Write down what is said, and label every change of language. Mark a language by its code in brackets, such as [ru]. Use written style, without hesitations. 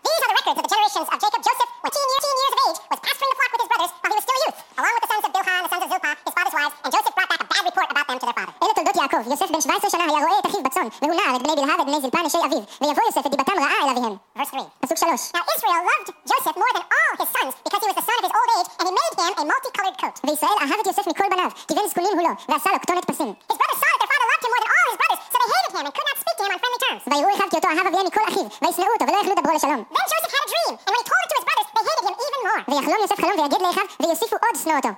[en] These are the records of the generations of Jacob. Joseph, when 10 years of age, was pasturing the flock with his brothers while he was still a youth, along with the sons of Bilhah and the sons of Zilpah, his father's wives, and Joseph brought back a bad report about them to their father. [he] אלה תולדות יעקב. יוסף בן 17 שנה היה רואה את אחיו בצון, והוא נער את בני בלהה ואת בני זלפה נשי אביו, ויבוא יוסף את דיבתם רעה אל אביהם. [en] Verse 3. [he] פסוק 3. [en] Now Israel loved Joseph more than all his sons because he was the son of his old age and he made him a multicolored coat. [he] וישראל אהב את יוסף מכל בניו, כי בן זקונים הוא לא, ועשה לו כתונת פסים. [en] His brothers saw that their father loved him more than all his brothers, so they hated him and could not speak to him on friendly terms. [he] ויראו אחיו כי אותו אהב אביהם מכל אחיו, וישנאו אותו ולא יכלו דברו לשלום. [en] Then Joseph had a dream and when he told it to his brothers they hated him even more. [he] ויחלום יוסף חלום ויגד לאחיו ויוסיפו עוד שנוא אותו.